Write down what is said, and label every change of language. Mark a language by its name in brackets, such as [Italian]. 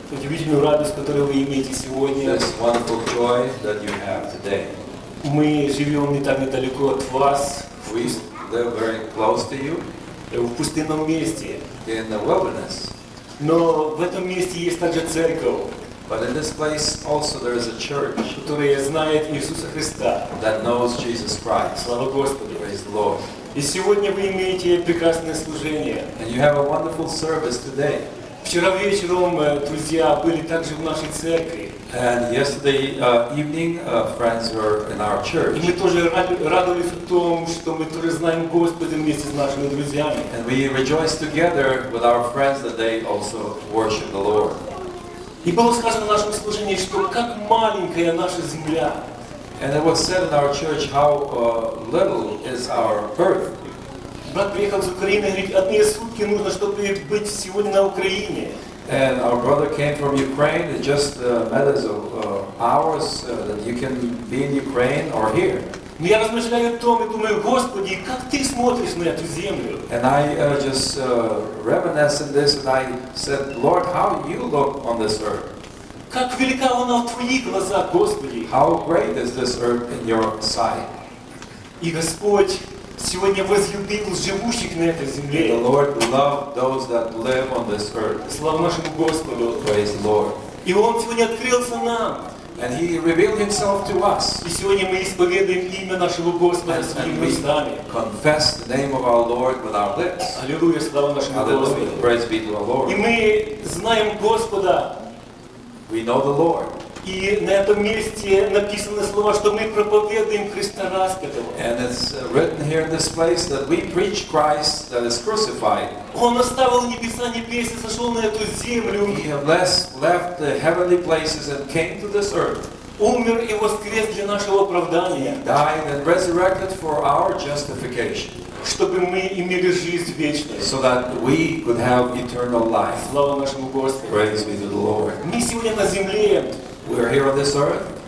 [Russian] удивительную радость, которую вы имеете сегодня. [English] This wonderful joy that you have today. [Russian] Мы живем не так недалеко от вас. [English] We live very close to you. [Russian] В пустынном месте. [English] In the wilderness. [Russian] Но в этом месте есть также церковь. [English] But in this place also there is a church. [Russian] Которая знает Иисуса Христа. [English] That knows Jesus Christ. [Russian] Слава Господу. [English] Praise the Lord. [Russian] И сегодня вы имеете прекрасное служение. [English] And you have a wonderful service today. [Russian] Вчера вечером друзья были также в нашей церкви. [English] And yesterday evening friends were in our church. [Russian] И мы тоже радовались в том, что мы тоже знаем Господа вместе с нашими друзьями. [English] And we rejoiced together with our friends that they also worship the Lord. [Russian] И было сказано в нашем служении, что как маленькая наша земля. [English] And it was said in our church how little is our earth. [Russian] Брат приехал с Украины, говорит, одни сутки нужно, чтобы быть сегодня на Украине. [English] And our brother came from Ukraine. It's just matters of hours that you can be in Ukraine or here. [Russian] Но я размышляю о том и думаю, Господи, как Ты смотришь на эту землю? [English] And I just reminisce in this, and I said, Lord, how you look on this earth? [Russian] Как велика она в твоих глазах, Господи! [English] How great is this earth in your sight? [Russian] И Господь сегодня возлюбил живущих на этой земле. [English] The Lord loved those that live on this earth. [Russian] Слава нашему Господу! [English] Praise the Lord. [Russian] И Он сегодня открылся нам. [English] And He revealed Himself to us. [Russian] И сегодня мы исповедуем имя нашего Господа своими устами. [English] Confess the name of our Lord with our lips. [Russian] Аллилуйя, слава нашему Господу! [English] Praise be to our Lord. [Russian] И мы знаем Господа. [English] We know the Lord. [Russian] И на этом месте написано слово, что мы проповедуем Христа распятого. [English] And it's written here in this place that we preach Christ that is crucified. [Russian] Он оставил небеса небес и сошел на эту землю. [English] He has left the heavenly places and came to this earth. [Russian] Умер и воскрес для нашего оправдания. [English] He died and resurrected for our justification. [Russian] Чтобы мы имели жизнь вечную. [English] So that we could have eternal life. [Russian] Слава нашему Господу. [English] Praise be to the Lord. [Russian] Мы сегодня на земле. [English] We are here on this earth.